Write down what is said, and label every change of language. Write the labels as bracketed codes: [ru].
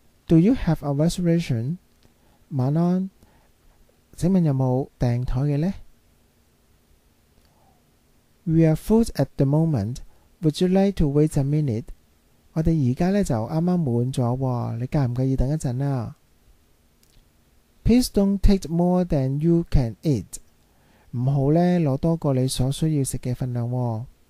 [en] Do you have a reservation? [yue] 晚安，請問有冇訂台嘅呢？ [en] We are full at the moment. Would you like to wait a minute? [yue] 我哋而家呢就啱啱滿咗喎，你介唔介意等一陣啊？ [en] Please don't take more than you can eat. [yue] 唔好呢攞多過你所需要食嘅份量喎。